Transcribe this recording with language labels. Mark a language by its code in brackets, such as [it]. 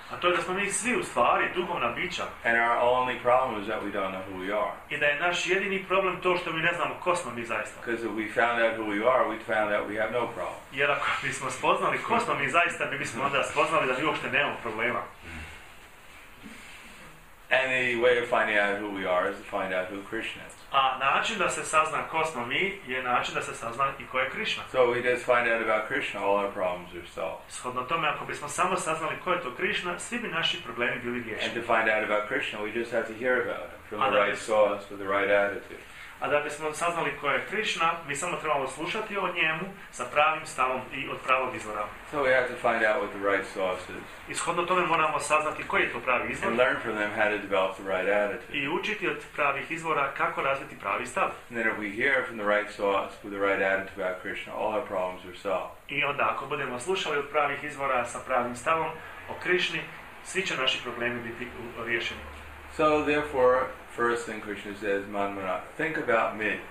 [bs] A to je da smo mi svi u stvari duhovna bića. [en] And our only problem is that we don't know who we are. [bs] I da je naš jedini problem to što mi ne znamo ko smo mi zaista. [en] Because if we found out who we are, we'd found out we have no problem. [bs] Jer ako bismo spoznali ko smo mi zaista, mi bismo onda spoznali da mi uopšte nemamo problema. [en] Any way of finding out who we are is to find out who Krishna is. [bs] A način da se sazna ko smo mi je način da se sazna i ko je Krishna. [en] So we just find out about Krishna, all our problems are solved. [bs] Shodno tome, ako bismo samo saznali ko je to Krishna, svi bi naši problemi bili riješeni. [en] And to find out about Krishna, we just have to hear about him from the right source with the right attitude. [bs] A da bismo saznali ko je Krishna, mi samo trebamo slušati o njemu sa pravim stavom i od pravog izvora. [en] So we have to find out what the right source is. [bs] I shodno tome moramo saznati koji je to pravi izvor. [en] And learn from them how to develop the right attitude. [bs] I učiti od pravih izvora kako razviti pravi stav. [en] And then if we hear from the right source with the right attitude about Krishna, all our problems are solved. [bs] I onda ako budemo slušali od pravih izvora sa pravim stavom o Krishni, svi će naši problemi biti riješeni. [en] So therefore, first thing Krishna says, Manmana, think about me.